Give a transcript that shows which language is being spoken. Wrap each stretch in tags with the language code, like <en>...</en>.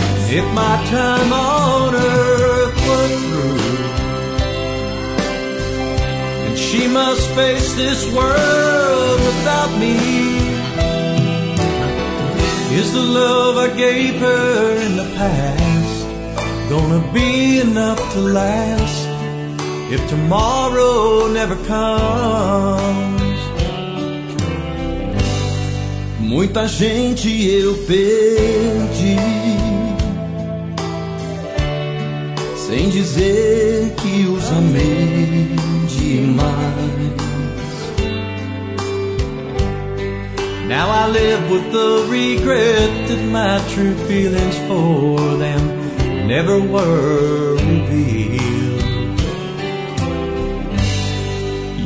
<en>If my time on earth were through, and she must face this world without me, is the love I gave her in the past gonna be enough to last if tomorrow never comes?</en> <pt>Muita gente eu perdi sem dizer que os amei demais.</pt> <en>Now I live with the regret that my true feelings for them never were revealed.</en>